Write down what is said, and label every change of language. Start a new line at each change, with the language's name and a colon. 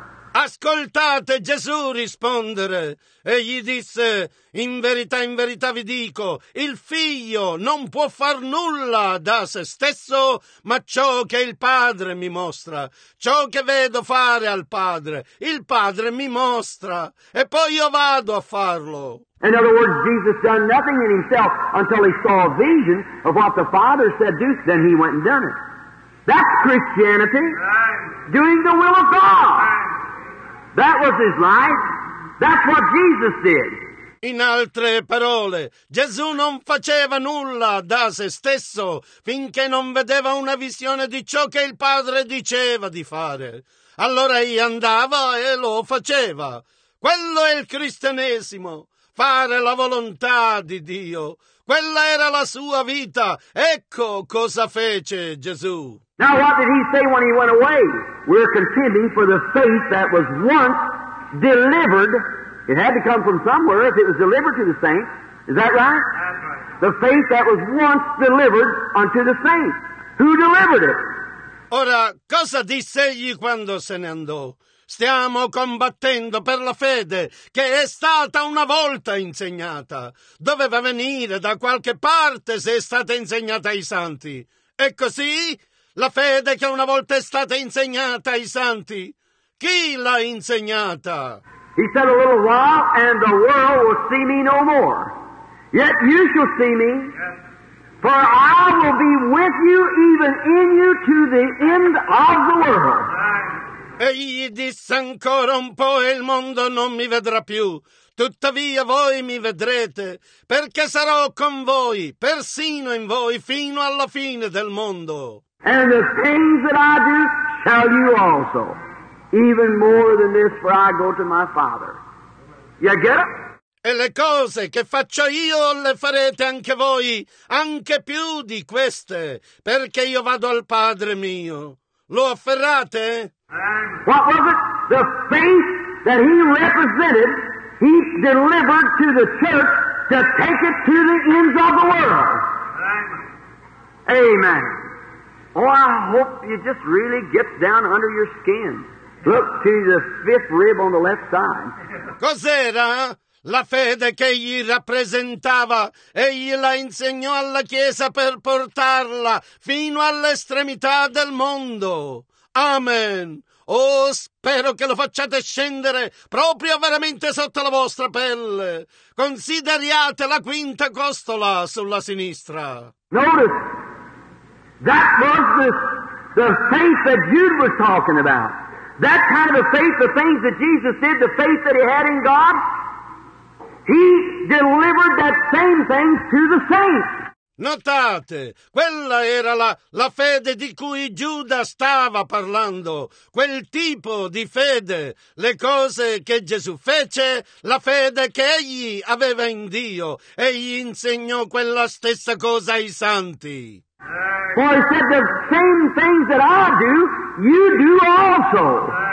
Italian: Ascoltate Gesù rispondere. Egli disse, in verità vi dico, il figlio non può far nulla da se stesso, ma ciò che il padre mi mostra, ciò che vedo fare al padre, il padre mi mostra, e poi io vado a farlo.
English: In other words, Jesus done nothing in himself until he saw a vision of what the Father said do, then he went and done it. That's Christianity, doing the will of God. That was his life. That's what Jesus did.
Italian: In altre parole, Gesù non faceva nulla da se stesso finché non vedeva una visione di ciò che il Padre diceva di fare. Allora egli andava e lo faceva. Quello è il cristianesimo, fare la volontà di Dio. Quella era la sua vita. Ecco cosa fece Gesù.
English: Now what did he say when he went away? We're contending for the faith that was once delivered. It had to come from somewhere if it was delivered to the saints. Is that right? That's right. The faith that was once delivered unto the saints. Who delivered it?
Italian: Ora, cosa disse egli quando se ne andò? Stiamo combattendo per la fede che è stata una volta insegnata. Doveva venire da qualche parte se è stata insegnata ai santi. E così? La fede che una volta è stata insegnata ai santi, chi l'ha insegnata?
English: He said a little while and the world will see me no more. Yet you shall see me. Yes. For I will be with you, even in you, to the end of the world.
Italian: Egli disse ancora un po', e il mondo non mi vedrà più. Tuttavia voi mi vedrete, perché sarò con voi, persino in voi, fino alla fine del mondo.
English: And the things that I do shall you also, even more than this, for I go to my Father. You get it?
Italian: E le cose che faccio io le farete anche voi, anche più di queste, perché io vado al Padre mio. Lo afferrate?
English: What was it? The faith that he represented, he delivered to the church to take it to the ends of the world. Amen. Oh, I hope you just really get down under your skin. Look to the fifth rib on the left side.
Italian: Cos'era? La fede che egli rappresentava, egli la insegnò alla Chiesa per portarla fino all'estremità del mondo. Amen. Oh, spero che lo facciate scendere proprio veramente sotto la vostra pelle. Consideriate la quinta costola sulla sinistra.
English: Notice, that was the faith that Jude was talking about. That kind of a faith, the things that Jesus did, the faith that he had in God. He delivered that same thing to the saints.
Italian: Notate, quella era la fede di cui Giuda stava parlando. Quel tipo di fede, le cose che Gesù fece, la fede che egli aveva in Dio. Egli insegnò quella stessa cosa ai santi.
English: For he said, the same things that I do, you do also.